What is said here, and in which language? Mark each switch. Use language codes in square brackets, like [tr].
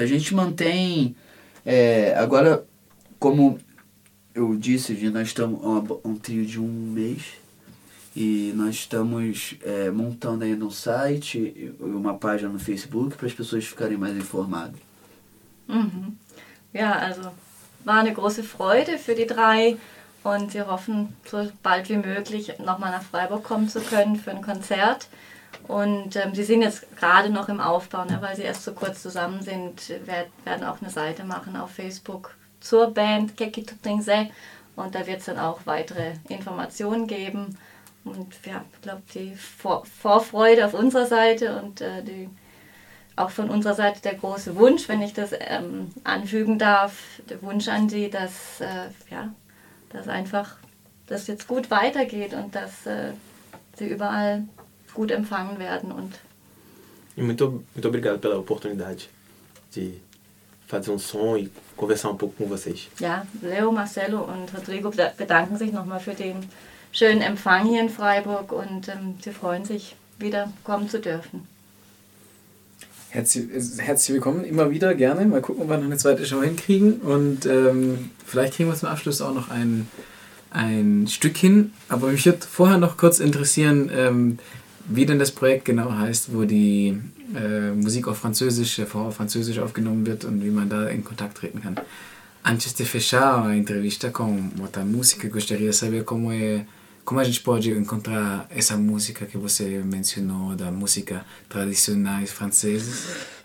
[pt] A gente mantém... agora, como eu disse, nós estamos um trio de um mês. E nós estamos montando ainda um site e uma página no Facebook para as pessoas ficarem mais informadas. Uhum. Yeah, also... [de] War eine große Freude für die drei und wir hoffen, so bald wie möglich nochmal nach Freiburg kommen zu können für ein Konzert. Und sie sind jetzt gerade noch im Aufbau, ne, weil sie erst so kurz zusammen sind, werden auch eine Seite machen auf Facebook zur Band Keki Tutingse und da wird es dann auch weitere Informationen geben. Und ja, ich glaube, die Vorfreude auf unserer Seite und die... Auch von unserer Seite der große Wunsch, wenn ich das anfügen darf, der Wunsch an Sie, dass dass einfach das jetzt gut weitergeht und dass Sie überall gut empfangen werden. Und [pt] muito obrigado pela oportunidade de fazer um som e conversar um pouco com vocês. [de] Ja, Leo, Marcelo und Rodrigo bedanken sich nochmal für den schönen Empfang hier in Freiburg und sie freuen sich, wieder kommen zu dürfen. Herzlich willkommen, immer wieder, gerne. Mal gucken, ob wir noch eine zweite Show hinkriegen. Und vielleicht kriegen wir zum Abschluss auch noch ein Stück hin. Aber mich würde vorher noch kurz interessieren, wie denn das Projekt genau heißt, wo die Musik auf Französisch, der Vorhof Französisch aufgenommen wird und wie man da in Kontakt treten kann. [pt] Antes de fechar a entrevista com outra música, gostaria de saber como a gente pode encontrar essa música que você mencionou, da música tradicionais francesas.